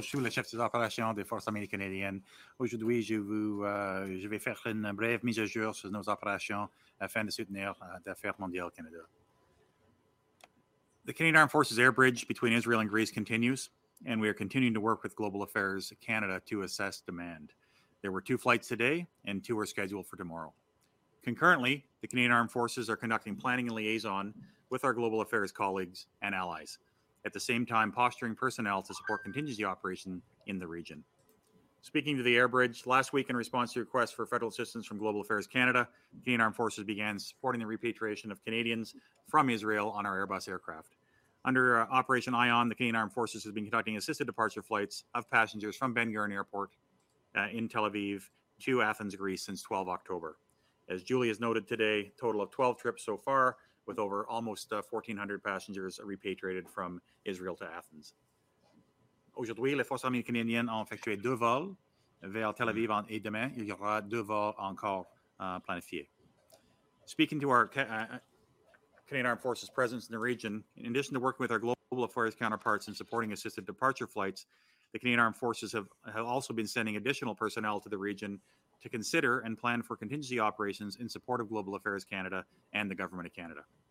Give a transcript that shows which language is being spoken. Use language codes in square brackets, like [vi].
[fr] Je suis le chef des opérations des forces armées canadiennes. Aujourd'hui, je vais faire une brève mise à jour sur nos opérations afin de soutenir l'affaire mondiale Canada. [en] The Canadian Armed Forces air bridge between Israel and Greece continues, and we are continuing to work with Global Affairs Canada to assess demand. There were two flights today, and two are scheduled for tomorrow. Concurrently, the Canadian Armed Forces are conducting planning and liaison with our global affairs colleagues and allies, at the same time posturing personnel to support contingency operation in the region. Speaking to the air bridge, last week in response to requests for federal assistance from Global Affairs Canada, Canadian Armed Forces began supporting the repatriation of Canadians from Israel on our Airbus aircraft. Under Operation Ion, the Canadian Armed Forces has been conducting assisted departure flights of passengers from Ben Gurion Airport in Tel Aviv to Athens, Greece since 12 October. As Julie has noted today, total of 12 trips so far, with over almost 1,400 passengers repatriated from Israel to Athens. [fr] Aujourd'hui, les forces armées canadiennes ont effectué deux vols vers Tel Aviv et demain, il y aura deux vols encore planifiés. [en] Speaking to our Canadian Armed Forces presence in the region, in addition to working with our global affairs counterparts and supporting assisted departure flights, the Canadian Armed Forces have also been sending additional personnel to the region to consider and plan for contingency operations in support of Global Affairs Canada and the Government of Canada.